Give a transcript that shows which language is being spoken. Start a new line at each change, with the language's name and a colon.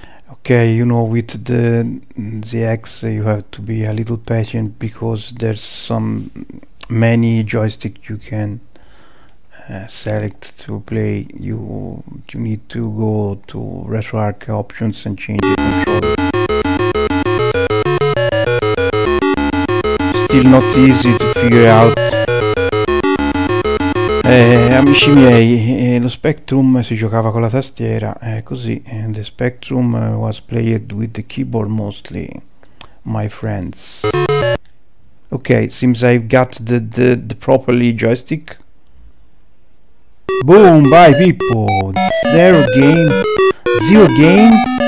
English: Okay, you know, with the ZX you have to be a little patient because there's some many joystick you can select to play. You need to go to RetroArch options and change the controller. Still not easy to figure out.
Italian: Amici miei, lo Spectrum si giocava con la tastiera, così.
English: And the Spectrum was played with the keyboard mostly, my friends. Okay, seems I've got the properly joystick. Boom, bye Pippo. Zero game.